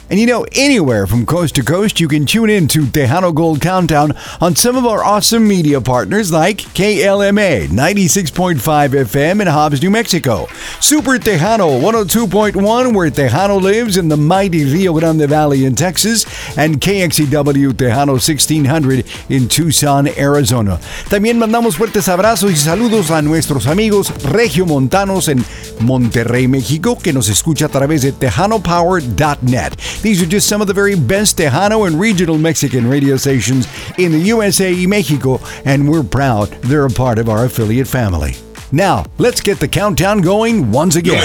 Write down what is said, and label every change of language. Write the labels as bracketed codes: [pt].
[en] And you know, anywhere from coast to coast, you can tune in to Tejano Gold Countdown on some of our awesome media partners like KLMA 96.5 FM in Hobbs, New Mexico, Super Tejano 102.1, where Tejano lives in the mighty Rio Grande Valley in Texas, and KXEW Tejano 1600 in Tucson, Arizona. [es] También mandamos fuertes abrazos y saludos a nuestros amigos regiomontanos en Monterrey, México, que nos escucha a través de TejanoPower.net. [en] These are just some of the very best Tejano and regional Mexican radio stations in the USA y México, and we're proud they're a part of our affiliate family. Now, let's get the countdown going once again.